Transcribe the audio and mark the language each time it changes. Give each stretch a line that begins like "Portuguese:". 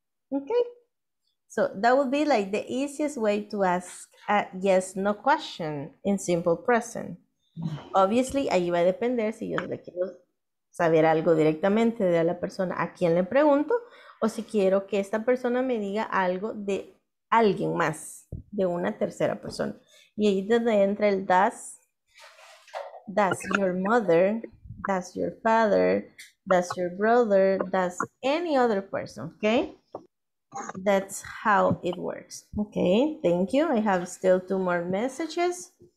English: Okay, so that would be like the easiest way to ask a yes, no question in simple present. Obviously,
Spanish: ahí va a depender si yo le quiero saber algo directamente de la persona a quien le pregunto o si quiero que esta persona me diga algo de alguien más, de una tercera persona. Y ahí donde entra el
English: does your mother, does your father, does your brother, does any other person, okay? That's how it works. Okay, thank you. I have still 2 more messages.